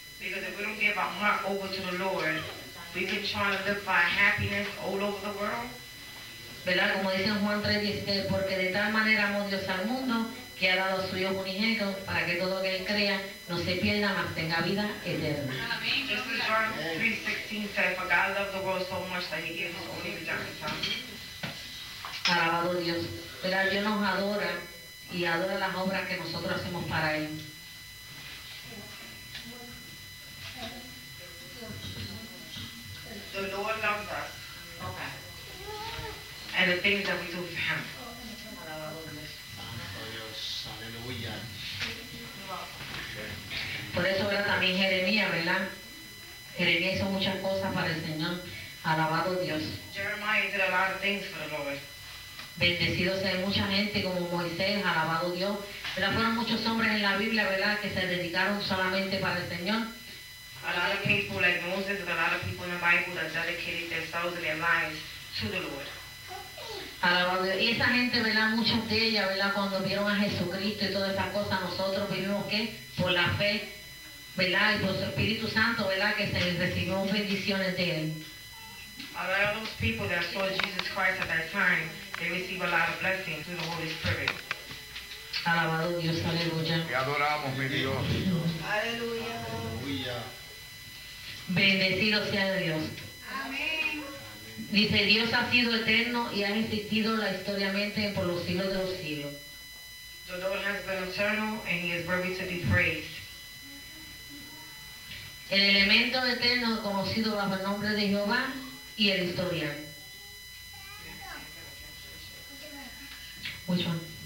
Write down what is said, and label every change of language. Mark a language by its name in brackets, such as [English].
[Spanish] ¿Verdad? Como dice Juan 3:16, porque de tal manera amó Dios al mundo que ha dado a su Hijo unigénito para que todo lo que él crea no se pierda, mas tenga vida eterna. [English] This is John 3:16, for God loved the world so much that he gave his only begotten Son. [Spanish] Alabado Dios. ¿Verdad? Dios nos adora y adora las obras que nosotros hacemos para él. [English] The Lord loves us. Okay. And the things that we do for Him. [Spanish] Por eso era también Jeremías, ¿verdad? Jeremías hizo muchas cosas para el Señor. Alabado Dios. [English] Jeremiah did a lot of things for the Lord. [Spanish] Bendecido sea mucha gente como Moisés, alabado Dios. Pero fueron muchos hombres en la Biblia, ¿verdad? Que se dedicaron solamente para el Señor. [English] A lot of people like Moses and a lot of people in the Bible that dedicated themselves and their lives to the Lord. [Spanish] Alabado Dios. Y esa gente, ¿verdad? Muchas de ellas, ¿verdad? Cuando vieron a Jesucristo y todas esas cosas, nosotros vivimos, ¿qué? Por la fe, ¿verdad? Y por su Espíritu Santo, ¿verdad? Que se les recibió bendiciones de él. [English] A lot of those people that saw Jesus Christ at that time, they received a lot of blessings through the Holy Spirit. [Spanish] Alabado Dios, aleluya. Te adoramos, mi Dios. Aleluya. Aleluya. Bendecido sea Dios. Dice, Dios ha sido eterno y ha existido la historia mente por los siglos de los siglos. [English] The Lord has been eternal and he is worthy to be praised. [Spanish] El elemento eterno conocido bajo el nombre de Jehová y el historial. [English] Which one?